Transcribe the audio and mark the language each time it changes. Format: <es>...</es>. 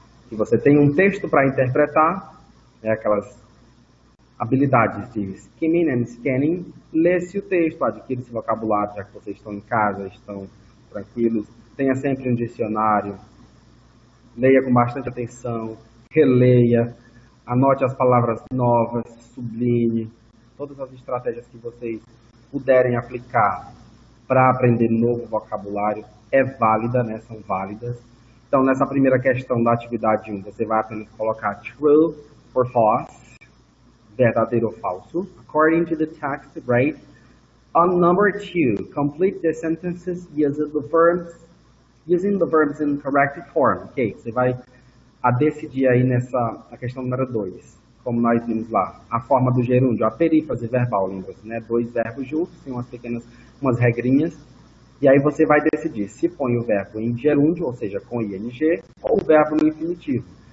<pt>E você tem um texto para interpretar, né? Aquelas habilidades de skimming and scanning, lê-se o texto, adquire esse vocabulário, já que vocês estão em casa, estão tranquilos, tenha sempre um dicionário, leia com bastante atenção, releia, anote as palavras novas, sublinhe, todas as estratégias que vocês puderem aplicar para aprender novo vocabulário, é válida, né? São válidas. Então, nessa primeira questão da atividade 1, você vai apenas colocar true or false, verdadeiro ou falso.</pt> <en>According to the text, right? On number two, complete the sentences using the verbs in correct form.</en> <pt>Ok, você vai a decidir aí nessa a questão número 2, como nós vimos lá. A forma do gerúndio, a perífrase verbal, lembra-se, né? Dois verbos juntos, tem umas pequenas, umas regrinhas. E aí você vai decidir se põe o verbo em gerúndio, ou seja, com ing, ou o verbo no infinitivo.</pt>